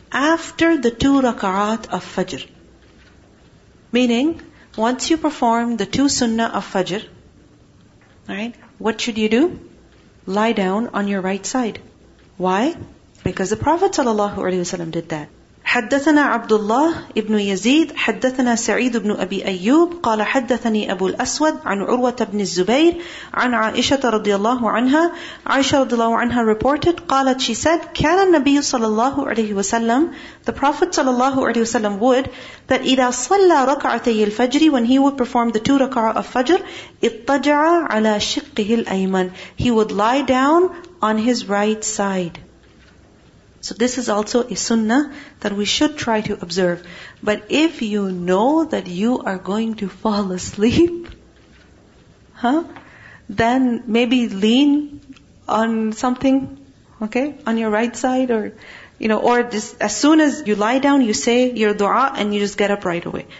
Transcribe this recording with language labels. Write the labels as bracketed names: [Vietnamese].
[English] After the 2 rak'at of fajr. Meaning, once you perform the 2 sunnah of fajr, right, what should you do? Lie down on your right side. Why? Because the Prophet sallallahu alaihi wasallam did that. [Arabic] حدثنا عبد الله ابن يزيد حدثنا سعيد بن أبي أيوب قال حدثني أبو الأسود عن عروة بن الزبير عن عائشة رضي الله عنها عائشة رضي الله عنها [English] reported [Arabic] قالت [English] she said [Arabic] كان النبي صلى الله عليه وسلم [English] the Prophet [Arabic] صلى الله عليه وسلم [English] would that [Arabic] إذا صلى ركعتي الفجر [English] when he would perform the 2 rak'ah of fajr [Arabic] اضطجع على شقه الأيمن [English] he would lie down on his right side. So this is also a sunnah that we should try to observe. But if you know that you are going to fall asleep, then maybe lean on something, okay, on your right side, or you know, or just as soon as you lie down, you say your dua and you just get up right away.